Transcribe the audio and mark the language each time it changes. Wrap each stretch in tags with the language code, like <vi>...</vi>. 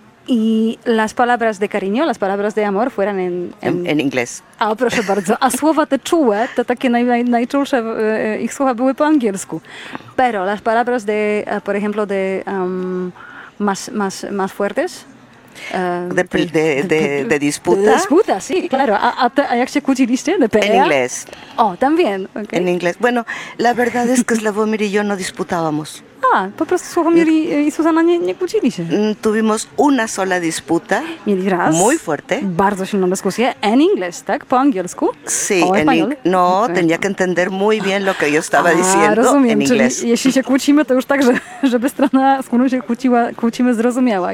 <es>Y las palabras de cariño, las palabras de amor fueran en inglés.</es> <pl>A proszę bardzo, a słowa te czułe, te takie najczulsze ich słowa były po angielsku.</pl> <es>Pero las palabras de, por ejemplo, de más fuertes. De disputa. De disputa, sí, claro.</es> <pl>A jak się kłóciliście?</pl> <es>De pelea? En inglés. Oh, también. Okay. En inglés. Bueno, la verdad es que Sławomir y yo no disputábamos.</es> <pl>A, po prostu Sławomir i Zuzanna nie kłócili się.</pl> <es>Tuvimos una sola disputa.</es> <pl>Mieli raz.</pl> <es>Muy fuerte.</es> <pl>Bardzo silną dyskusję.</pl> <es>En inglés,</es> <pl>tak? Po angielsku?</pl> <es>Sí, en inglés. No, okay. Tenía que entender muy bien lo que yo estaba diciendo.</es> <pl>Rozumiem.</pl> <es>En inglés.</es> <pl>Czyli jeśli się kłócimy, to już tak, żeby strona, z którą się kłóciła, kłócimy, zrozumiała.</pl>